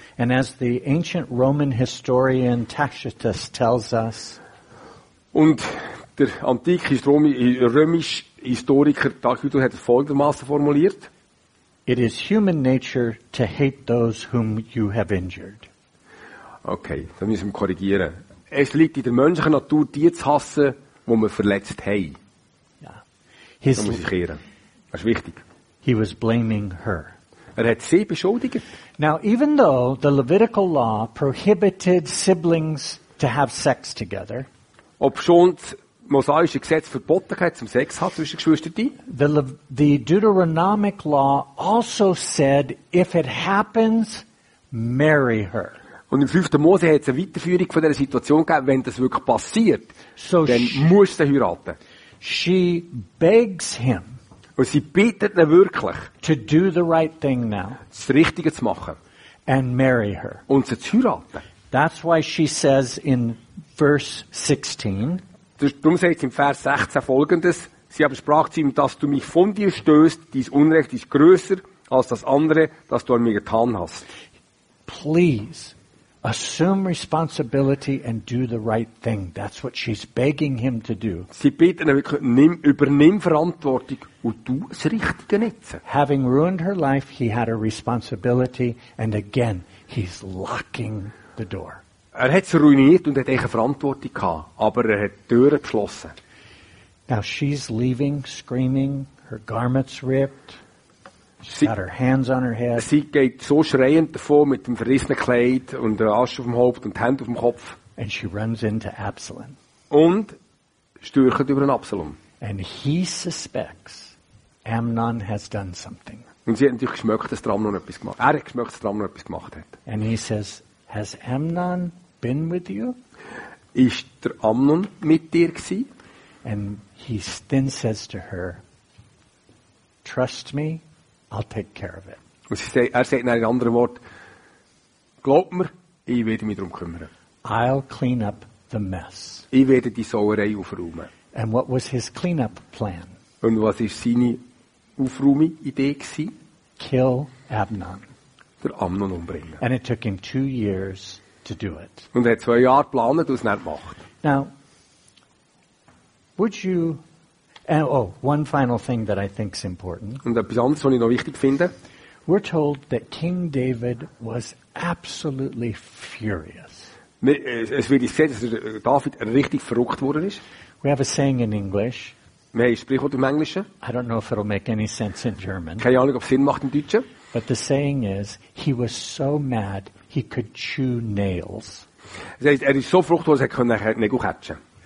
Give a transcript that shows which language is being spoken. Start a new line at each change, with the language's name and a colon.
English: And as the ancient Roman historian Tacitus tells us,
German: und der antike römische Historiker Tacitus hat es folgendermaßen formuliert:
English: it is human nature to hate those whom you have injured.
German: Okay, dann müssen wir korrigieren. Es liegt in der menschlichen Natur, die zu hassen, die wir verletzt haben. Ja. Das muss ich kehren. Das ist wichtig.
English: He was blaming her.
German: Er hat sie beschuldigt.
English: Now, even though the Levitical law prohibited siblings to have sex together,
German: ob schon das mosaische Gesetz verboten hat, zum Sex hat zwischen Geschwistern,
English: the Deuteronomic law also said, if it happens, marry her.
German: Und im 5. Mose hat es eine Weiterführung von dieser Situation gegeben, wenn das wirklich passiert, so dann muss sie heiraten.
English: She begs him,
German: und sie bittet ihn wirklich,
English: to do the right thing now,
German: das Richtige zu machen
English: and marry her.
German: Und sie zu heiraten.
English: That's why she says in verse 16,
German: darum sagt sie im Vers 16 folgendes: sie aber sprach zu ihm, dass du mich von dir stößt, dein Unrecht ist grösser als das andere, das du an mir getan hast.
English: Please assume responsibility and do the right thing. That's what she's begging him to do.
German: Sie bitten wirklich, übernimm Verantwortung und tu das Richtige jetzt.
English: Having ruined her life, he had a responsibility, and again, he's locking the door.
German: Er hat sie ruiniert und hat eine Verantwortung gehabt, aber er hat die Türen geschlossen.
English: Now she's leaving, screaming, her garments ripped. She's got her hands on her head.
German: Sie geht so schreiend davon mit dem verrissenen Kleid und der Asche auf dem Haupt und die Hände auf dem Kopf.
English: And she runs into Absalom.
German: Und stürcht über den Absalom.
English: And he suspects Amnon has done something.
German: Und sie hat natürlich geschmeckt, dass Amnon etwas gemacht hat.
English: And he says, has Amnon been with you?
German: Ist der Amnon mit dir gsi?
English: And he then says to her, trust me, I'll take care of it.
German: Er sagt in einem anderen Wort, glaub mir, ich werde mich darum kümmern.
English: I'll clean up the mess.
German: Ich werde die Sauerei aufräumen.
English: And what was his cleanup plan?
German: Und was war seine Aufräumidee?
English: Kill Amnon.
German: Der Amnon umbringen.
English: And it took him 2 years to do it.
German: Und er hat 2 Jahre geplant und es nicht gemacht.
English: Now, would you... Oh, one final thing that I think is important.
German: Und etwas anderes, was ich noch wichtig finde.
English: We're told that King David was absolutely furious.
German: Es wird gesagt, dass David richtig verrückt worden ist.
English: We have a saying in English.
German: Wir haben ein Sprichwort im Englischen.
English: I don't know if it'll make any sense in German.
German: Keine Ahnung, ob es Sinn macht im Deutschen.
English: But the saying is, he was so mad he could chew nails.
German: Das heißt, er ist so verrückt worden, dass er konnte Nägel kratzen.